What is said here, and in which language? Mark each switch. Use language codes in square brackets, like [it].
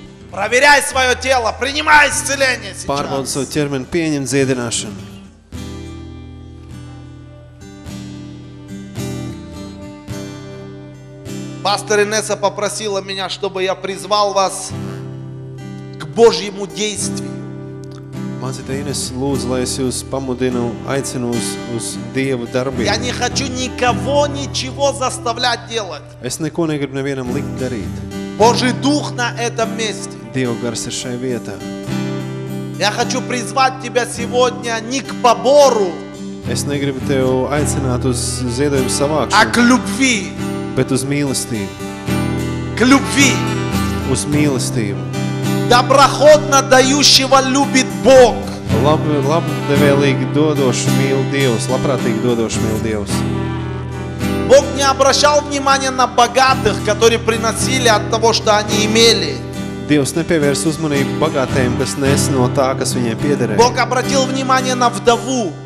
[ru] Проверяй своё тело, принимай исцеление сейчас. [lv] Pārbaudi savu ķermeni, pieņem dziedināšanu. [ru] Pastor Inesa попросила меня, чтобы я призвал вас к Божьему действию. [lv] Māciete Inesa lūdzu, lai es jūs pamudinu, aicinu uz Dievu darbību. [ru] Я не хочу никого ничего заставлять делать. [lv] Es neko negribu nevienam likt darīt. [ru] Божий Дух на этом месте. [lv] Dieva gars ir šajā vietā. [ru] Я хочу призвать тебя сегодня не к побору. [lv] Es negribu tevi aicināt uz ziedojumu savākšanu. [ru] А к любви. [lv] Bet uz mīlestību. [ru] К любви. [lv] Uz mīlestību. [ru] Доброхотно дающего любит Бог. [lv] Labdevēlīgi dodošu mīl Dievs. Labprātīgi dodošu mīl Dievs. [ru] Бог не обращал внимания на богатых, которые приносили от того, что они имели. [lv] Dievs nepievērs uzmanību bagātajiem, kas nes no tā, kas viņiem piederēja. [ru] Бог обратил внимание на вдову,